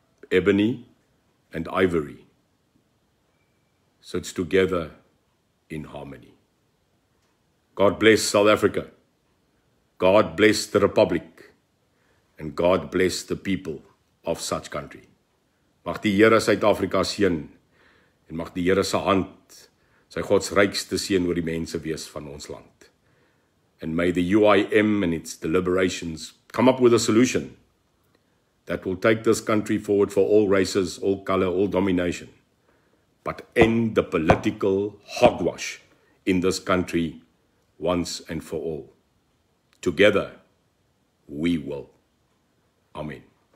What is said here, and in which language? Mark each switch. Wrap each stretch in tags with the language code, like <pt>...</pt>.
<en>Ebony and ivory sits together in harmony. God bless South Africa. God bless the Republic. And God bless the people of such country.</en> <af>Mag die Here Suid-Afrika seën en mag die Here se hand sy God se rykste seën oor die mense wees van ons land.</af> <en>And may the UIM and its deliberations come up with a solution that will take this country forward for all races, all color, all domination, but end the political hogwash in this country once and for all. Together, we will. Amen.</en>